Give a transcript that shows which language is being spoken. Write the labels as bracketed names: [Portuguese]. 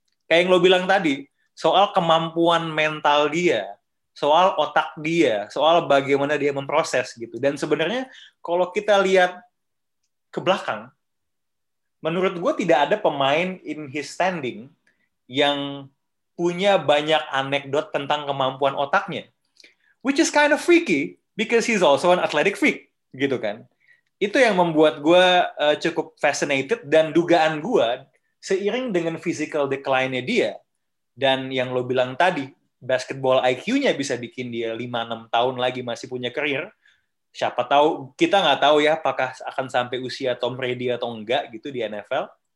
[Indonesian] Kayak yang lo bilang tadi, soal kemampuan mental dia, soal otak dia, soal bagaimana dia memproses gitu. Dan sebenarnya kalau kita lihat ke belakang, menurut gue tidak ada pemain [English] in his standing [Indonesian] yang punya banyak anekdot tentang kemampuan otaknya. [English] Which is kind of freaky because he's also an athletic freak, [Indonesian] gitu kan. Itu yang membuat gue cukup fascinated, dan dugaan gue seiring dengan [English] physical decline- [Indonesian] nya dia dan yang lo bilang tadi, basketball IQ-nya bisa bikin dia 5-6 tahun lagi masih punya karir, siapa tahu, kita nggak tahu ya apakah akan sampai usia Tom Brady atau enggak gitu di NFL.